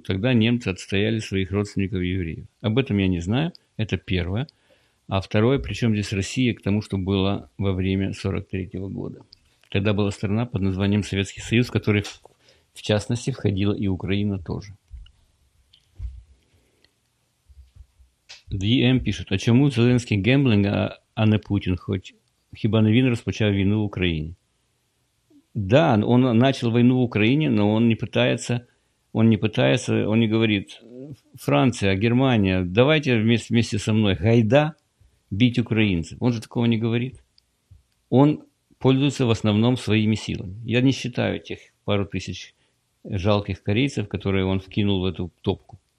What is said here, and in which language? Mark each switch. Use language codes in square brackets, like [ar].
[ru] Тогда немцы отстояли своих родственников евреев. Об этом я не знаю. Это первое. А второе, причем здесь Россия, к тому, что было во время 43-го года. Тогда была страна под названием Советский Союз, в который, в частности, входила и Украина тоже. ДМ пишет, а чему Зеленский гемблинг, а не Путин, хоть [uk] хиба не він розпочав війну в Україні? [ru] Да, он начал войну в Украине, но он не пытается, он не говорит, Франция, Германия, давайте вместе со мной, гайда, бить украинцев. Он же такого не говорит. Он пользуются в основном своими силами. Я не считаю тех пару тысяч жалких корейцев, которые он вкинул в эту топку.